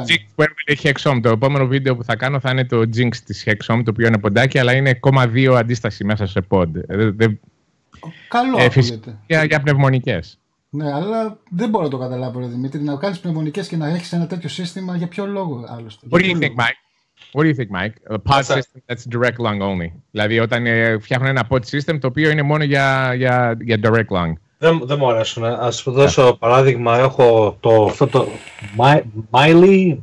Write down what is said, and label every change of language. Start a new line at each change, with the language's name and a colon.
Greek: Το Jinx που έρχεται έχει Hexom. Το επόμενο βίντεο που θα κάνω θα είναι το Jinx της Hexom, το οποίο είναι ποντάκι, αλλά είναι 0,2 αντίσταση μέσα σε ποντ. Καλό αυτό. Για πνευμονικές. Ναι, αλλά δεν μπορώ να το καταλάβω, ρε Δημήτρη. Να κάνεις πνευμονικές και να έχεις ένα τέτοιο σύστημα, για ποιο λόγο άλλωστε.
English: What do you think, Mike? A pod system that's direct lung only.
Greek: Δηλαδή, όταν φτιάχνουν ένα pod system το οποίο είναι μόνο για direct lung. Δεν μου αρέσουν. Ας δώσω παράδειγμα. Έχω αυτό το Miley.